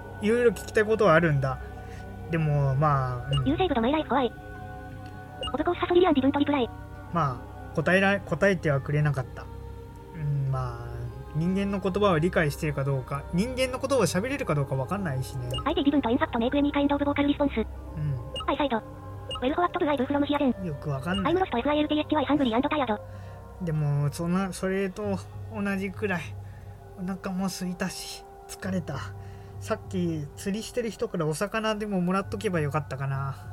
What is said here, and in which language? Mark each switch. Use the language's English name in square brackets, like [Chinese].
[Japanese] いろいろ聞きたいことはあるんだ。でも、まあ、 [English] You saved my life, why? Of course, ハソリリアン didn't reply. [Japanese] まあ、答えてはくれなかった。まあ、人間の言葉を理解しているかどうか、人間の言葉を喋れるかどうか分かんないしね。 [English] I did didn't in fact make any kind of vocal response. I said, Well, what do I do from here then? [Japanese] よく分かんない。 [English] I'm lost, F-I-L-T-H-Y, hungry and tired. [Japanese] でも、それと同じくらい。お腹も空いたし、疲れた。さっき釣りしてる人からお魚でももらっとけばよかったかな。